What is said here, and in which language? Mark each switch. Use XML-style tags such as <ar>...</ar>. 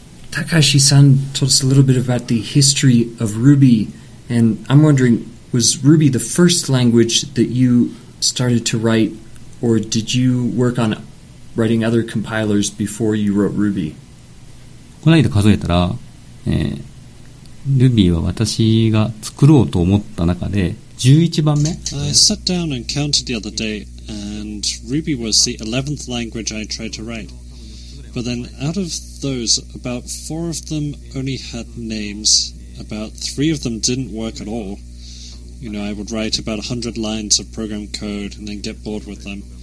<en>Takashi-san told us a little bit about the history of Ruby, and I'm wondering, was Ruby the first language that you started to write, or did you work on writing other compilers before you wrote Ruby?</en> <ja>この間数えたら、Ruby は私が作ろうと思った中で、 11番目?</ja> <en>I sat down and counted the other day, and Ruby was the 11th language I tried to write. But then out of those, about 4 of them only had names, about 3 of them didn't work at all. You know, I would write about 100 lines of program code and then get bored with them.</en>